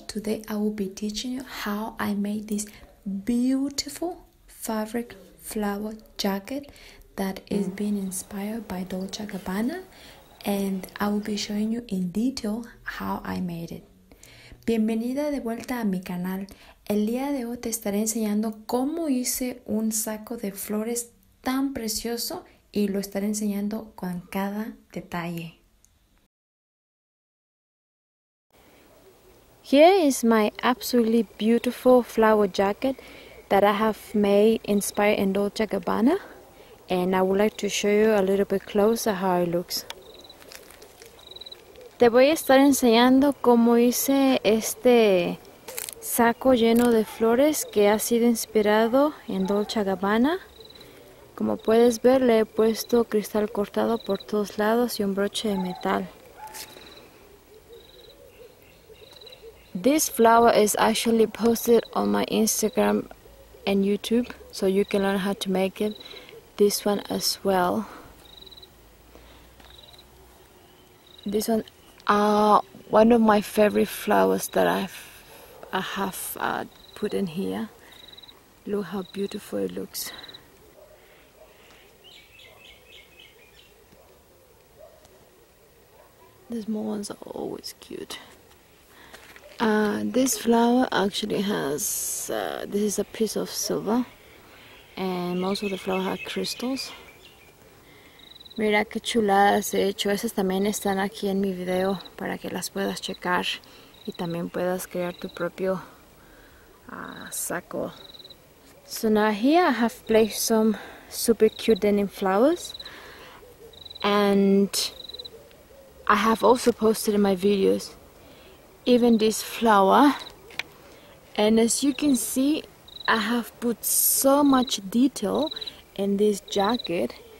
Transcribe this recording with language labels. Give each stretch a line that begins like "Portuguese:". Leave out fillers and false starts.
English: Today I will be teaching you how I made this beautiful fabric flower jacket that is being inspired by Dolce & Gabbana, and I will be showing you in detail how I made it.
Spanish: Bienvenida de vuelta a mi canal. El día de hoy te estaré enseñando cómo hice un saco de flores tan precioso y lo estaré enseñando con cada detalle.
English: Here is my absolutely beautiful flower jacket that I have made inspired in Dolce & Gabbana, and I would like to show you a little bit closer how it looks.
Spanish: Te voy a estar enseñando cómo hice este saco lleno de flores que ha sido inspirado en Dolce & Gabbana. Como puedes ver, le he puesto cristal cortado por todos lados y un broche de metal.
English: This flower is actually posted on my Instagram and YouTube, so you can learn how to make it. This one as well. This one, one of my favorite flowers that I have put in here. Look how beautiful it looks. The small ones are always cute. This flower actually has, this is a piece of silver, and most of the flower has crystals.
Spanish: Mira que chuladas he hecho, esas también están aquí en mi video para que las puedas checar y también puedas crear tu propio saco.
English: So now here I have placed some super cute denim flowers, and I have also posted in my videos even this flower, and as you can see, I have put so much detail in this jacket.